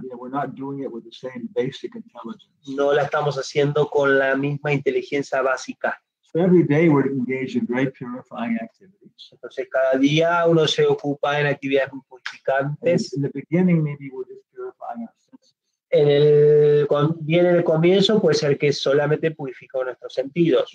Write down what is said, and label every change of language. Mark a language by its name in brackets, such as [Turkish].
[English] Yeah, we're not doing it with the same basic intelligence. [Spanish] No la estamos haciendo con la misma inteligencia básica. [English] Every day we're engaged in great purifying activities. [Spanish] Entonces cada día uno se ocupa en actividades muy purificantes. [English] In the beginning maybe we're just purifying our senses. [Spanish] En el comienzo puede ser que solamente purifica nuestros sentidos.